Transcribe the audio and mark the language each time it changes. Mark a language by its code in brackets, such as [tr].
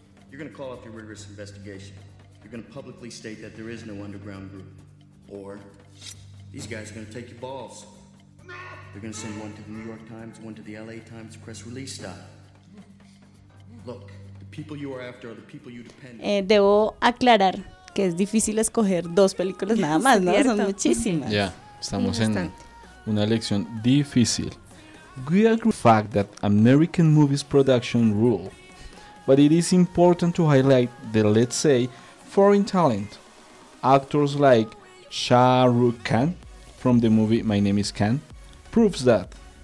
[en] You're going to call off your rigorous investigation. You're going to publicly state that there is no underground group. Or these guys are going to take your balls. They're going to send one to the New York Times, one to the LA Times, press release style. Look, the people you are after are the people you depend on. [es] Debo aclarar que es difícil escoger dos películas nada más, ¿no? Son muchísimas. Yeah. Estamos en una elección difícil. [en] We agree with the fact that American movies production rule, but it is important to highlight the, let's say, foreign talent. Actors like Shah Rukh Khan from the movie My Name is Khan proves that.